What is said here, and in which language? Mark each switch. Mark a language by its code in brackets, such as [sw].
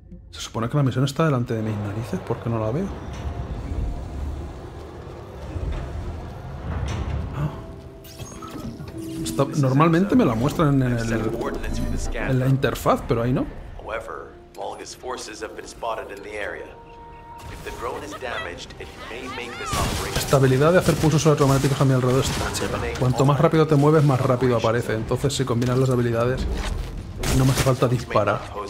[es] Se supone que la misión está delante de mis narices, ¿por qué no la veo? Normalmente me la muestran en la interfaz, pero ahí no. [en] However, Volga's forces have been spotted in the area. If the drone is damaged, it may make this operation. [es] Estabilidad de hacer pulsos automáticos a mi alrededor está chévere. Cuanto más rápido te mueves, más rápido aparece. Entonces, si combinas las habilidades, no me hace falta disparar.